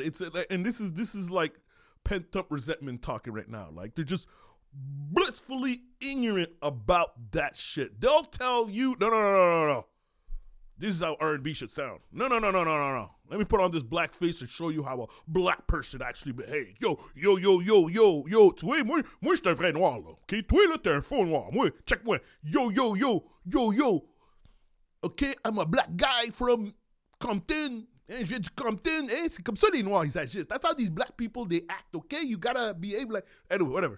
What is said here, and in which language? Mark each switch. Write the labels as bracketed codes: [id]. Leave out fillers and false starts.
[en] This is like pent up resentment talking right now. Like, they're just blissfully ignorant about that shit. They'll tell you, no. This is how R&B should sound. No. Let me put on this black face and show you how a black person actually behaves. Yo. [fr] Tu es moi je suis un vrai noir, là. Okay, tu es là, t'es un faux noir. Moi, check moi. [en] Yo. Okay, I'm a black guy from Compton. [fr] Hey, je viens du Compton. Hey, c'est comme ça les noirs, ils agissent. [en] That's how these black people, they act, okay? You gotta behave like... Anyway, whatever.